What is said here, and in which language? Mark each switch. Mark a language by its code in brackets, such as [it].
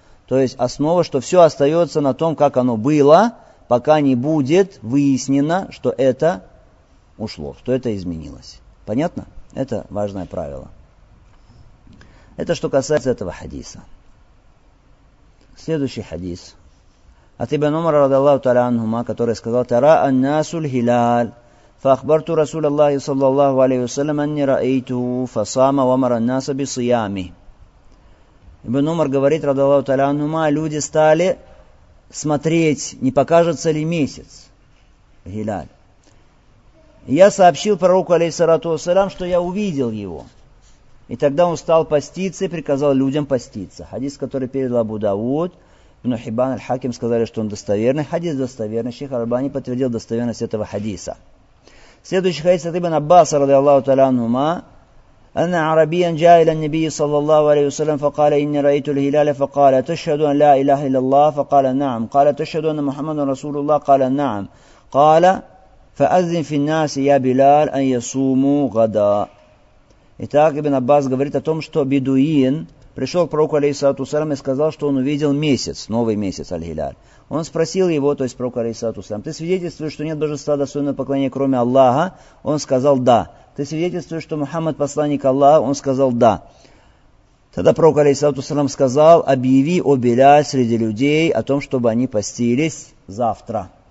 [ru] То есть основа, что все остается на том, как оно было, пока не будет выяснено, что это ушло, что это изменилось. Понятно? Это важное правило. Это что касается этого хадиса. Следующий хадис. От ибн Умара, который сказал, [ar] «Тара ан-насу л-хилал». فأخبرت رسول الله صلى الله عليه وسلم أني رأيته فصام ومر الناس بصيامه. [ru] Ибн Умар говорит, [ar] رضي الله تعالى عنهما, [ru] люди стали смотреть, не покажется ли месяц, Гиляль. Я сообщил пророку, алейхиссалату вассалям, что я увидел его. И тогда он стал поститься и приказал людям поститься. Хадис, который передал Абу Дауд, Ибн Хибан, Аль-Хаким сказали, что он достоверный. Хадис достоверный. Шейх Аль-Бани подтвердил достоверность этого хадиса. Следующий хадис от Ибн Аббаса, [ar] رضي الله تعالى عنهما, أن عربيا جاء إلى النبي صلى الله عليه وسلم فقال إني رأيت الهلال فقال تشهد أن لا إله إلا الله فقال نعم قال تشهد أن محمد رسول الله قال نعم قال فأذن في الناس يا بلال أن يصوموا غدا. [ru] Итак, Ибн Аббас говорит о том, что бедуин пришел к пророку алейхиссалату вассалям и сказал, что он увидел месяц, новый месяц Аль-Хиляль. Он спросил его, то есть пророка алейхиссалату вассалям, ты свидетельствуешь, что нет божества достойного поклонения, кроме Аллаха? Он сказал да. Ты свидетельствуешь, что Мухаммад посланник Аллаха? Он сказал да. Тогда пророк алейхиссалату вассалям сказал, объяви о Биляль среди людей о том, чтобы они постились завтра.